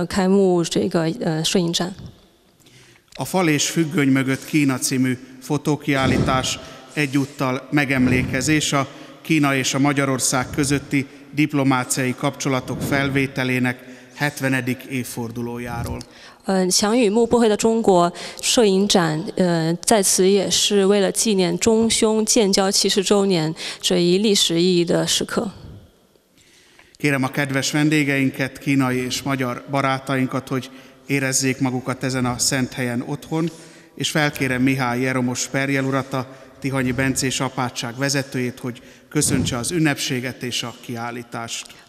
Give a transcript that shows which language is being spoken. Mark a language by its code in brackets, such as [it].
[zh] 今天我们在此相聚，是参加Szamodi Zsolt Olaf摄影艺术家强与幕背后的中国的摄影展的开幕式。我们在此开这个摄影展。 [hu] A fal és függöny mögött Kína című fotókiállítás egyúttal megemlékezés a Kína és a Magyarország közötti diplomáciai kapcsolatok felvételének 70. évfordulójáról. [zh] 强与幕背后的中国摄影展在此也是为了纪念中匈建交70周年这一历史意义的时刻。 [hu] Kérem a kedves vendégeinket, kínai és magyar barátainkat, hogy érezzék magukat ezen a szent helyen otthon, és felkérem Mihály Jeromos Perjel urat, a Tihanyi Bence és Apátság vezetőjét, hogy köszöntse az ünnepséget és a kiállítást.